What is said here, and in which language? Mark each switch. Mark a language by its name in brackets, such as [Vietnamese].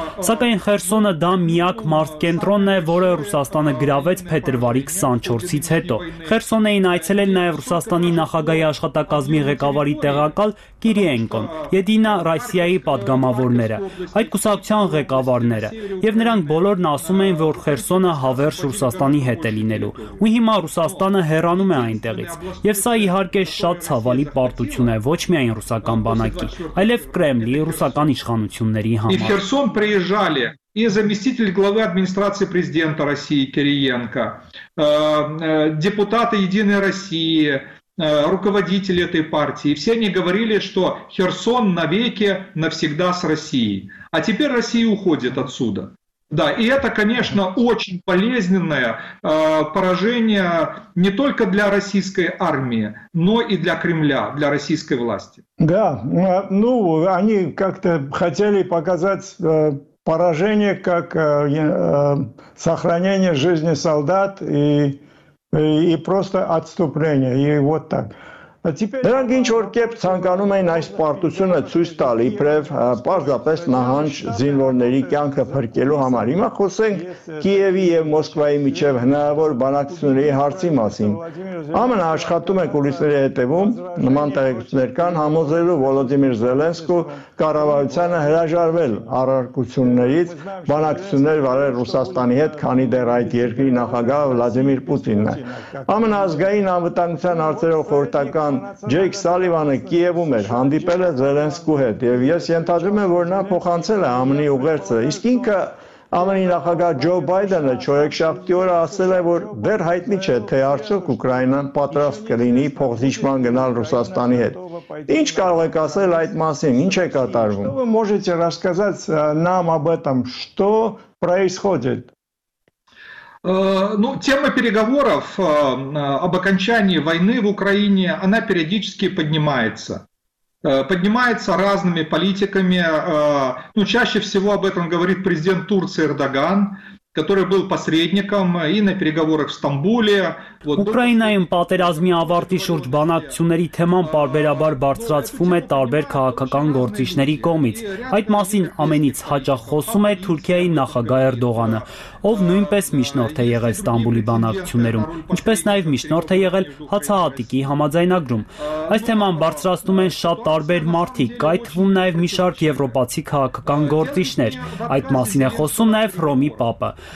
[Armenian] Սակայն Խերսոնը դա միակ մարզկենտրոնն է, որը Ռուսաստանը գրավեց փետրվարի 24-ից հետո։ Խերսոնեին այցելել նաև Ռուսաստանի նախագահի աշխատակազմի ղեկավարի տեղակալ Կիրիենկոն, Եդինա Ռասիա այի պատգամավորները, այդ կուսակցության ղեկավարները, և նրանք բոլորն ասում են, որ Խերսոնը հավերժ Ռուսաստանի հետ է լինելու, ու հիմա Ռուսաստանը հեռանում է այնտեղից, և սա իհարկե շատ ցավալի պարտություն է ոչ միայն ռուսական բանակի, այլև Կրեմլի ռուսական իշխանությունների համար։ Իր [Russian] Խերսոն приезжали и заместитель главы администрации президента России Кириенко, депутаты Единой России, руководители этой партии, все они говорили, что Херсон навеки, навсегда с Россией. А теперь Россия уходит отсюда. Да, и это, конечно, очень болезненное поражение не только для российской армии, но и для Кремля, для российской власти. Да, ну, они как-то хотели показать поражение как сохранение жизни солдат и просто отступление, и вот так. [Armenian] Դրանք ինչ-որ կերպ ցանկանում էին այս պարտությունը ցույց տալ, իբրև պարզապես նահանջ զինվորների կյանքը փրկելու համար։ Հիմա խոսենք Կիևի և Մոսկվայի միջև հնարավոր բանակցությունների հարցի մասին։ ԱՄՆ-ը աշխատում է կուլիսների հետևում, նման տեղեկություններ կան, համոզելու Վոլոդիմիր Զելենսկու կառավարությանը հրաժարվել առարկություններից բանակցություններ վարել Ռուսաստանի հետ, քանի դեռ այդ երկրի նախագահ Վլադիմիր Պուտինն է։ ԱՄՆ-ի ազգային անվտանգության հարցերով խորհրդական Ջեյք Սալիվանը Կիևում էր, հանդիպել է Զելենսկու հետ, և ես ենթադրում եմ, որ նա փոխանցել է ԱՄՆ-ի ուղերձը, իսկ ինքը ԱՄՆ-ի նախագահ Ջո Բայդենը չորեքշաբթի օրը ասել է, որ դեռ հայտնի չէ, թե արդյոք Ուկրաինան պատրաստ կլինի փոխզիջման գնալ Ռուսաստանի հետ։ Ինչ կարող եք ասել այդ մասին, ինչ է կատարվում։ [Russian] Вы можете рассказать нам об этом, что происходит? Ну, тема переговоров об окончании войны в Украине, она периодически поднимается. Поднимается разными политиками. Ну, чаще всего об этом говорит президент Турции Эрдоган, который был посредником и на переговорах в Стамбуле. [Armenian] Ուկրաինայում պատերազմի ավարտի շուրջ բանակցությունների թեման պարբերաբար բարձրացվում է տարբեր քաղաքական գործիչների կողմից։ Այդ մասին ամենից հաճախ խոսում է Թուրքիայի նախագահ Էրդողանը, ով նույնպես միջնորդ է եղել Ստամբուլի բանակցություններում, ինչպես նաև միջնորդ է եղել Հացահատիկի համաձայնագրում։ Այս թեման բարձրացնում են շատ տարբեր մարդիկ, կայթվում նաև մի շարք եվրոպացի քաղաքական գործիչներ։ Այդ մասին է խոսում նաև Ռոմի Պապը։